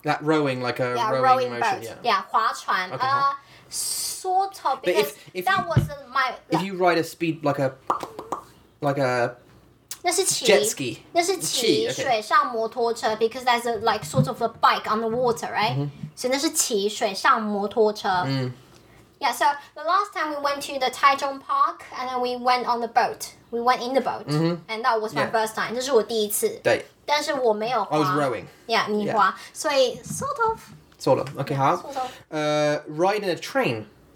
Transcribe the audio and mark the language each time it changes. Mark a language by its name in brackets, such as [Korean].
[English] That rowing like a rowing motion. Boat. Yeah. Yeah. [Chinese] Hua chuan. [English] Okay. Sort of, because if that wasn't my... If you ride a speed, like a... [Chinese] 那是骑, [English] jet ski. [Chinese] 那是骑, 骑, [English] okay. [Chinese] 水上摩托车, [English] because that's a, like, sort of a bike on the water, right? Mm-hmm. [Chinese] 所以那是骑水上摩托车。 Mm. [English] Yeah, so the last time we went to the Taichung Park, and then we went on the boat. We went in the boat. Mm-hmm. And that was my first time. [Chinese] 这是我第一次。对。但是我没有滑。 [English] I was rowing. Yeah, [Chinese] 你滑。所以, [English] sort of... Sort of. Okay, how? Sort of. Ride in a train.